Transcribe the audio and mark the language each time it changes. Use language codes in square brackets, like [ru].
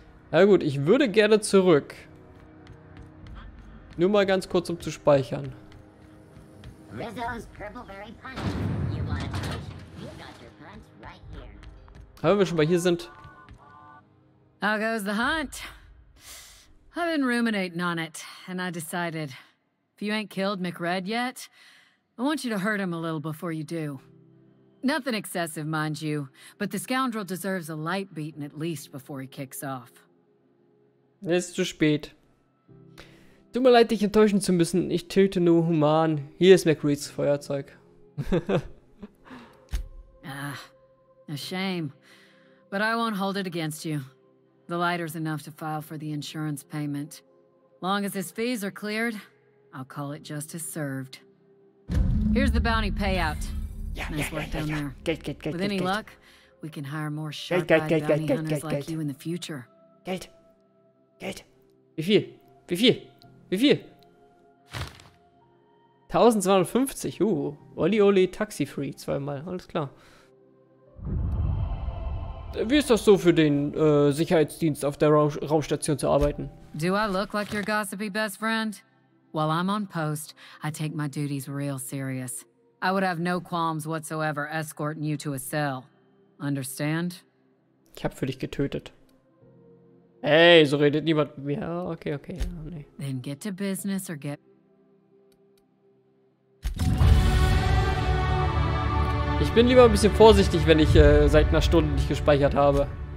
[de] Na gut, ich würde gerne zurück. Nur mal ganz kurz, um zu speichern. Aber wenn wir schon mal hier sind. [en] How goes the hunt? I've been ruminating on it, and I decided, if you ain't killed McRed yet, I want you to hurt him a little before you do. Nothing excessive, mind you, but the scoundrel deserves a light beating at least before he kicks off. [de] Es ist zu spät. Tut mir leid, dich enttäuschen zu müssen. Ich töte nur human. Hier ist McReeds Feuerzeug. [en] Ah, a shame. But I won't hold it against you. The lighter's enough to file for the insurance payment. Long as his fees are cleared, I'll call it justice served. Here's the bounty payout. [de] Geld. [en] With any luck, we can hire more sharp-eyed bounty hunters like you in the future. [de] Geld. Wie viel? 1250, Olli Olli Taxi Free, zweimal, alles klar. Wie ist das so für den Sicherheitsdienst auf der Raumstation zu arbeiten? [en] Do I look like your gossipy best friend? While I'm on post, I take my duties real serious. I would have no qualms whatsoever escorting you to a cell. Understand? [de] Ich hab für dich getötet. Hey, so redet niemand mit mir. Okay. Oh, nee. [en] Then get to business or get... [de] Ich bin lieber ein bisschen vorsichtig, wenn ich seit einer Stunde nicht gespeichert habe.